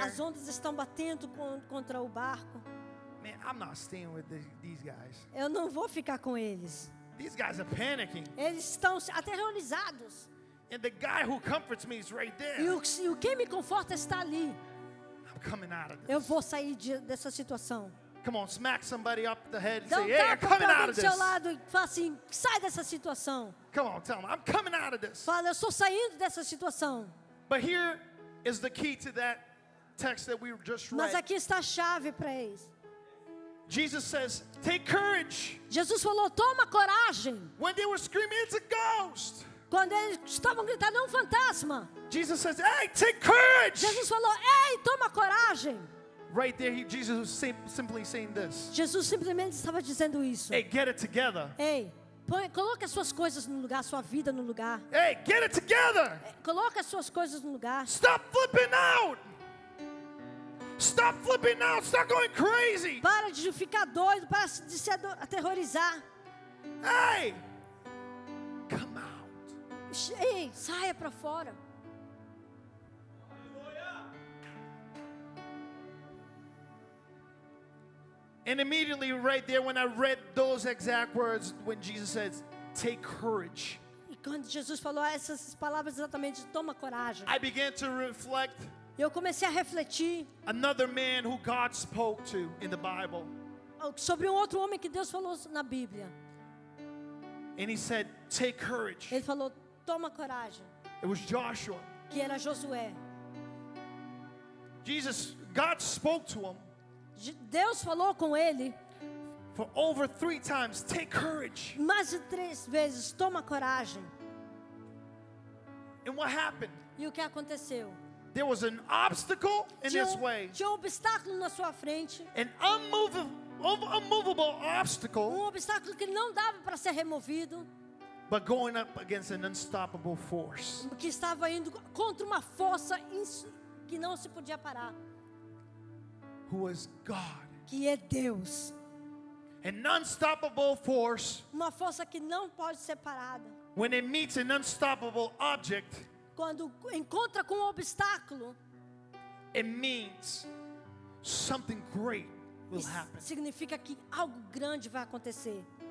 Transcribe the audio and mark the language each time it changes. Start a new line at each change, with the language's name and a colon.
Portuguese: As ondas estão batendo contra o barco.
English: Man, I'm not staying with these guys.
Portuguese: Eu não vou ficar com eles.
English: These guys are panicking.
Portuguese: Eles estão aterrorizados.
English: And the guy who comforts me is right there.
Portuguese: E o que me conforta está ali.
English: I'm coming out of this.
Portuguese: Eu vou sair dessa situação.
English: Come on, smack somebody up the head and say, hey, I'm coming out of this.
Portuguese: Seu lado e fala assim, sai dessa situação.
English: Come on, tell them, I'm coming out of this.
Portuguese: Fala, eu estou saindo dessa situação.
English: But here is the key to that text that we just read.
Portuguese: Mas aqui está a chave para isso.
English: Jesus says, take courage.
Portuguese: Jesus falou, toma coragem.
English: When they were screaming, it's a ghost.
Portuguese: Quando eles estavam gritando, é fantasma.
English: Jesus says, hey, take courage.
Portuguese: Jesus falou, ei, toma coragem.
English: Right there, Jesus was simply saying this.
Portuguese: Jesus simplesmente estava dizendo isso.
English: Hey, get it together.
Portuguese: Hey, põe, coloca suas coisas no lugar, sua vida no lugar.
English: Hey, get it together.
Portuguese: Coloca suas coisas no lugar.
English: Stop flipping out. Stop flipping out. Stop going crazy.
Portuguese: Para de ficar doido, para de se aterrorizar.
English: Hey, come out.
Portuguese: Hey, saia para fora.
English: And immediately right there when I read those exact words when Jesus says, take courage.
Portuguese: E quando Jesus falou essas palavras exatamente, toma coragem.
English: I began to reflect.
Portuguese: Eu comecei a refletir.
English: Another man who God spoke to in the Bible.
Portuguese: Sobre outro homem que Deus falou na Bíblia.
English: And he said, take courage.
Portuguese: Ele falou, toma coragem.
English: It was Joshua.
Portuguese: Que era Josué.
English: Jesus, God spoke to him.
Portuguese: Deus falou com ele.
English: For over three times, take courage.
Portuguese: Mais de três vezes, toma coragem.
English: And what happened?
Portuguese: E o que aconteceu?
English: There was an obstacle in this way.
Portuguese: Tinha um obstáculo na sua frente.
English: An unmovable obstacle.
Portuguese: Um obstáculo que não dava para ser removido.
English: But going up against an unstoppable force.
Portuguese: Que estava indo contra uma força que não se podia parar.
English: Who is God?
Portuguese: Que é Deus.
English: An unstoppable force.
Portuguese: Uma força que não pode ser parada.
English: When it meets an unstoppable object.
Portuguese: Quando encontra com um obstáculo.
English: It means something great will happen.
Portuguese: Significa que algo grande vai acontecer.